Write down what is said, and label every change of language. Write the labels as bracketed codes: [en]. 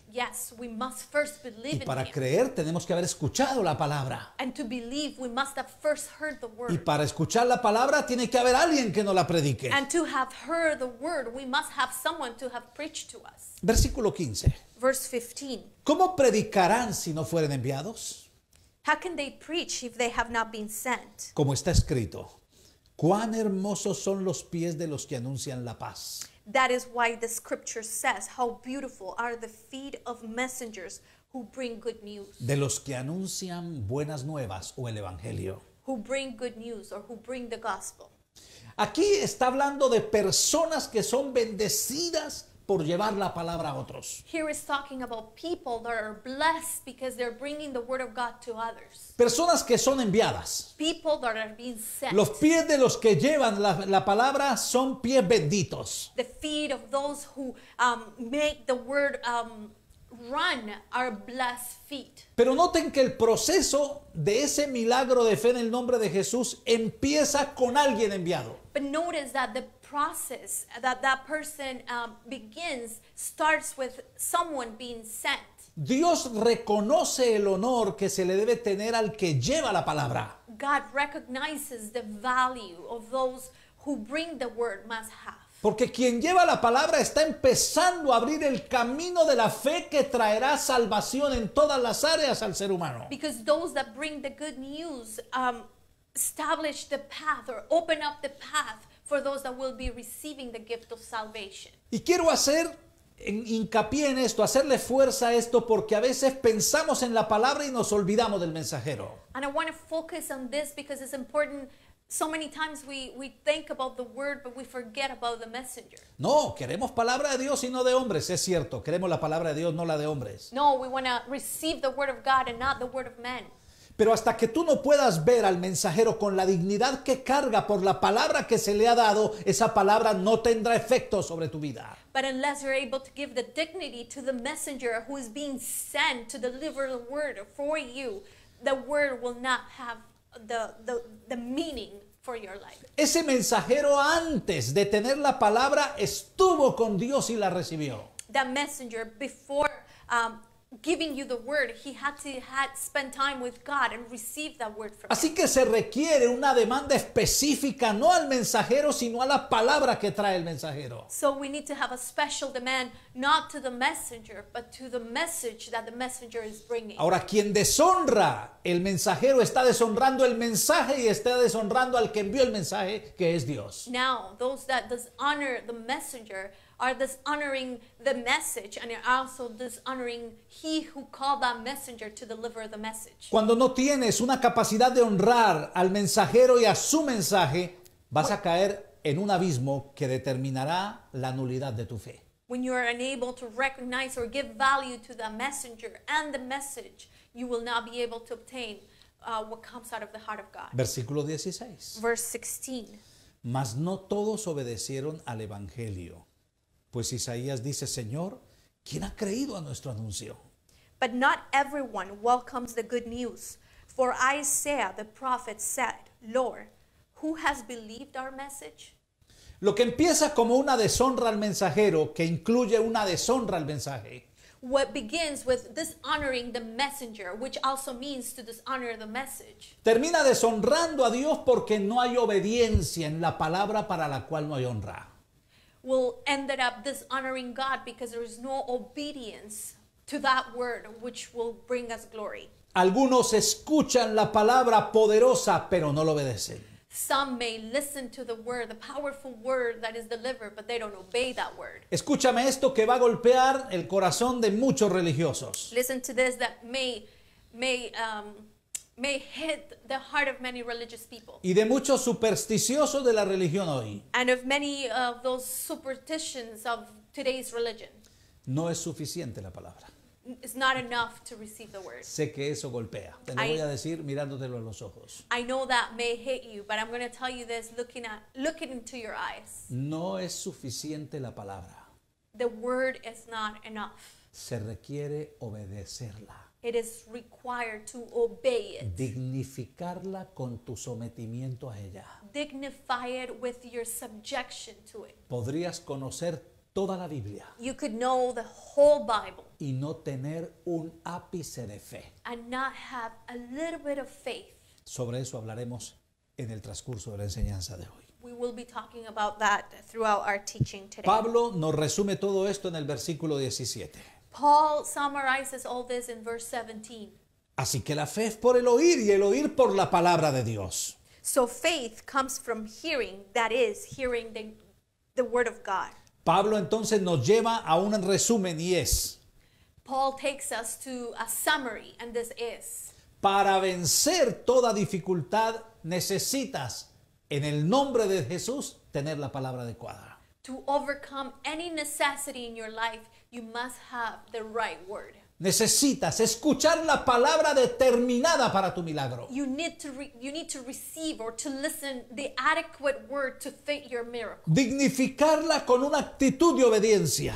[en] Yes, we must first believe in him. [es] Y para creer tenemos que haber escuchado la palabra. [en] And to believe, we must have first heard the word. [es] Y para escuchar la palabra tiene que haber alguien que nos la predique. [en] And to have heard the word, we must have someone to have preached to us. [es] Versículo 15. [en] Verse 15. [es] ¿Cómo predicarán si no fueren enviados? [en] How can they preach if they have not been sent? [es] Como está escrito, cuán hermosos son los pies de los que anuncian la paz. [en] That is why the scripture says, how beautiful are the feet of messengers who bring good news. [es] De los que anuncian buenas nuevas o el evangelio. [en] Who bring good news or who bring the gospel. [es] Aquí está hablando de personas que son bendecidas por llevar la palabra a otros. [en] Here is talking about people that are blessed because they're bringing the word of God to others. [es] Personas que son enviadas. [en] People that are being sent. [es] Los pies de los que llevan la palabra son pies benditos. [en] The feet of those who make the word run are blessed feet. [es] Pero noten que el proceso de ese milagro de fe en el nombre de Jesús empieza con alguien enviado. [en] But notice that the process that person begins starts with someone being sent. [es] Dios reconoce el honor que se le debe tener al que lleva la palabra. [en] God recognizes the value of those who bring the word must have. [es] Porque quien lleva la palabra está empezando a abrir el camino de la fe que traerá salvación en todas las áreas al ser humano. [en] Because those that bring the good news establish the path or open up the path for those that will be receiving the gift of salvation. [es] Y quiero hacer hincapié en esto, hacerle fuerza a esto, porque a veces pensamos en la palabra y nos olvidamos del mensajero. [en] And I want to focus on this because it's important. So many times we think about the word, but we forget about the messenger. [es] No, queremos palabra de Dios y no de hombres, es cierto. Queremos la palabra de Dios, no la de hombres. [en] No, we want to receive the word of God and not the word of men. [es] Pero hasta que tú no puedas ver al mensajero con la dignidad que carga por la palabra que se le ha dado, esa palabra no tendrá efecto sobre tu vida. [en] But unless you're able to give the dignity to the messenger who is being sent to deliver the word for you, the word will not have the meaning for your life. [es] Ese mensajero antes de tener la palabra estuvo con Dios y la recibió. [en] That messenger before giving you the word, he had spent time with God and received that word from Him. [es] Así que se requiere una demanda específica, no al mensajero, sino a la palabra que trae el mensajero. [en] So we need to have a special demand, not to the messenger, but to the message that the messenger is bringing. [es] Ahora, quien deshonra el mensajero está deshonrando el mensaje y está deshonrando al que envió el mensaje, que es Dios. [en] Now, those that dishonor the messenger are dishonoring the message and are also dishonoring he who called that messenger to deliver the message. [es] Cuando no tienes una capacidad de honrar al mensajero y a su mensaje, vas a caer en un abismo que determinará la nulidad de tu fe. [en] When you are unable to recognize or give value to the messenger and the message, you will not be able to obtain what comes out of the heart of God. [es] Versículo 16. [en] Verse 16. [es] Mas no todos obedecieron al evangelio, pues Isaías dice, Señor, ¿quién ha creído a nuestro anuncio? [en] But not everyone welcomes the good news. For Isaiah the prophet said, Lord, who has believed our message? [es] Lo que empieza como una deshonra al mensajero, que incluye una deshonra al mensaje. [en] What begins with dishonoring the messenger, which also means to dishonor the message. [es] Termina deshonrando a Dios porque no hay obediencia en la palabra para la cual no hay honra. [en] Will end up dishonoring God because there is no obedience to that word which will bring us glory. [es] Algunos escuchan la palabra poderosa, pero no lo obedecen. [en] Some may listen to the word, the powerful word that is delivered, but they don't obey that word. [es] Escúchame esto que va a golpear el corazón de muchos religiosos. [en] Listen to this that may hit the heart of many religious people. [es] Y de muchos supersticiosos de la religión hoy. [en] And of many of those superstitions of today's religion. [es] No es suficiente la palabra. [en] It's not enough to receive the word. [es] Sé que eso golpea. Te lo voy a decir mirándotelo a los ojos. [en] I know that may hit you, but I'm going to tell you this looking into your eyes. [es] No es suficiente la palabra. [en] The word is not enough. [es] Se requiere obedecerla. [en] It is required to obey it. [es] Dignificarla con tu sometimiento a ella. [en] Dignify it with your subjection to it. [es] Podrías conocer toda la Biblia. [en] You could know the whole Bible. [es] Y no tener un ápice de fe. [en] And not have a little bit of faith. [es] Sobre eso hablaremos en el transcurso de la enseñanza de hoy. [en] We will be talking about that throughout our teaching today. [es] Pablo nos resume todo esto en el versículo 17. [en] Paul summarizes all this in verse 17. [es] Así que la fe es por el oír y el oír por la palabra de Dios. [en] So faith comes from hearing, that is, hearing the word of God. [es] Pablo entonces nos lleva a un resumen y es. [en] Paul takes us to a summary and this is. [es] Para vencer toda dificultad necesitas en el nombre de Jesús tener la palabra adecuada. [en] To overcome any necessity in your life you must have the right word. [es] Necesitas escuchar la palabra determinada para tu milagro. [en] You need to receive or to listen the adequate word to fit your miracle. [es] Dignificarla con una actitud de obediencia.